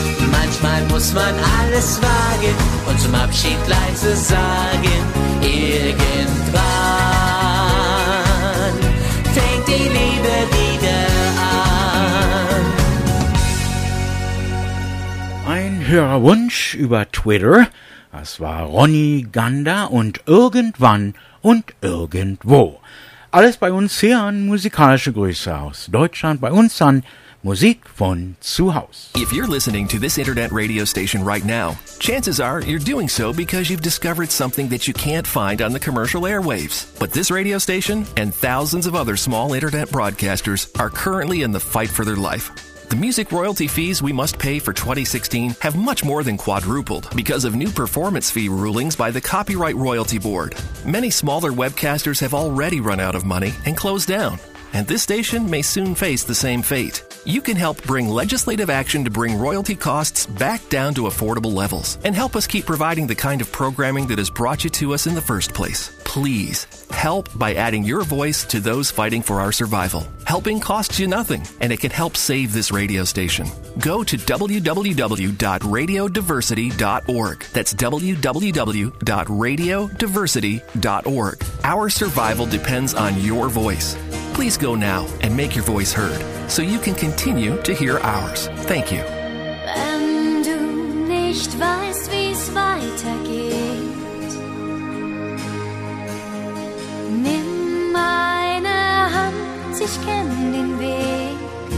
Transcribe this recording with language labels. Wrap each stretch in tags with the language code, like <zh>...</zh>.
<de>Manchmal muss man alles wagen und zum Abschied leise sagen, irgendwann fängt die Liebe wieder an. Ein Hörerwunsch über Twitter, das war Ronny Gander und Irgendwann und Irgendwo. Alles bei uns hier an musikalische Grüße aus Deutschland, bei uns an Musik von Zuhause.</de> <en>If you're listening to this internet radio station right now, chances are you're doing so because you've discovered something that you can't find on the commercial airwaves. But this radio station and thousands of other small internet broadcasters are currently in the fight for their life. The music royalty fees we must pay for 2016 have much more than quadrupled because of new performance fee rulings by the Copyright Royalty Board. Many smaller webcasters have already run out of money and closed down, and this station may soon face the same fate. You can help bring legislative action to bring royalty costs back down to affordable levels and help us keep providing the kind of programming that has brought you to us in the first place. Please, help by adding your voice to those fighting for our survival. Helping costs you nothing, and it can help save this radio station. Go to www.radiodiversity.org. That's www.radiodiversity.org. Our survival depends on your voice. Please go now and make your voice heard so you can continue to hear ours. Thank you.</en> <de>Wenn du nicht weißt, wie's weitergeht, nimm meine Hand, ich kenne den Weg.</de>